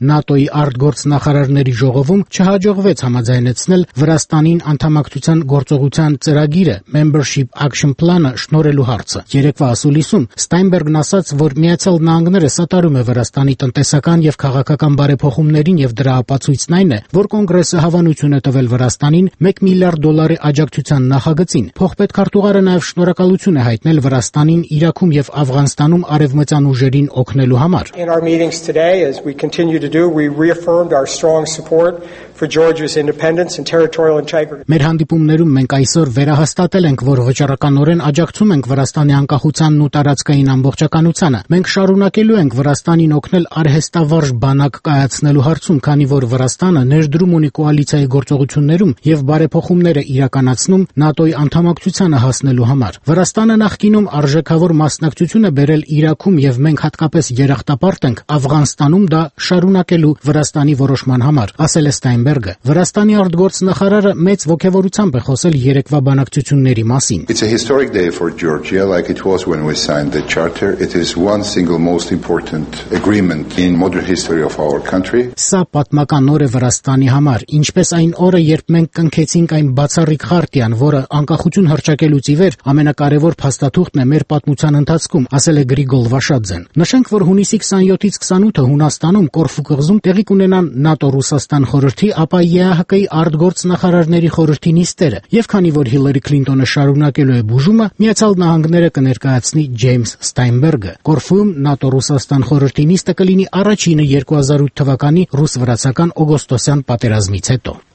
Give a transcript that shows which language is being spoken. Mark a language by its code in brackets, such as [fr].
[hy] ՆԱՏՕ-ի արտգործնախարարների ժողովում չհաջողվեց համաձայնեցնել Վրաստանին անդամակցության գործողության ծրագիրը, [en] membership action plan- [hy] ը շնորելու հարցը։ Երեկվա ասուլիսում Ստայնբերգն ասաց, որ Միացյալ Նահանգները սատարում է Վրաստանի տնտեսական եւ քաղաքական բարեփոխումներին եւ դրա ապացույցն այն է, որ կոնգրեսը հավանություն տվել Վրաստանին 1 միլիարդ դոլարի աջակցության նախագծին։ Փոխպետքարտուղարը նաև շնորհակալություն է հայտնել Վրաստանին Իրաքում եւ Աֆղանստանում արևմտյան ուժերին օգնելու համար։ [en] In our meetings today, as we continue to do, we reaffirmed our strong support for Georgia's independence and territorial integrity. [hy] Մեր հանդիպումներում մենք այսօր վերահաստատել ենք, որ վճռականորեն աջակցում ենք Վրաստանի անկախության ու տարածքային ամբողջականությանը։ Մենք շարունակելու ենք Վրաստանին օգնել արհեստավարժ բանակ կայացնելու հարցում, քանի որ Վրաստանը ներդրում ունի կոալիցիայի գործողություններում եւ բարեփոխումները իրականացնում ՆԱՏՕ-ի անդամակցությանը հասնելու համար։ Վրաստանը նախկինում արժեքավոր մասնակցություն է բերել Իրաքում եւ մենք հատկապես երախտապարտ ենք Աֆղանստանում դա շարունակելու Վրաստանի որոշման համար, ասել է Ստայնբերգը։ Վրաստանի արտգործնախարարը մեծ ոգևորությամբ է խոսել երեկվա բանակցությունների մասին։ [en] It's a historic day for Georgia, like it was when we signed the charter. It is one single most important agreement in modern history of our country. [hy] Սա պատմական օր է Վրաստանի համար, ինչպես այն օրը, երբ երբ մենք կնքեցինք այն բացառիկ խարտիան, որը անկախություն հրճակելուց ի վեր ամենակարևոր փաստաթուղթն է մեր պատմության ընթացքում, ասել է Գրիգոլ Վաշաձեն։ Նշենք, որ հունիսի 27-ից 28-ը Հունաստանում Կորֆու կղզում տեղի կունենան ՆԱՏՕ-Ռուսաստան խորհրդի, ապա ԵԱՀԿ-ի արտգործնախարարների խորհրդի նիստերը, եւ քանի որ Հիլերի Քլինտոնը շարունակելու է բուժումը, Միացյալ Նահանգները կներկայացնի Ջեյմս Ստայնբերգը։ Կորֆում ՆԱՏՕ-Ռուսաստան խորհրդի նիստը կլինի առաջինը 2008 թվականի ռուս-վրացական օգոստոսյան պատերազմից հետո։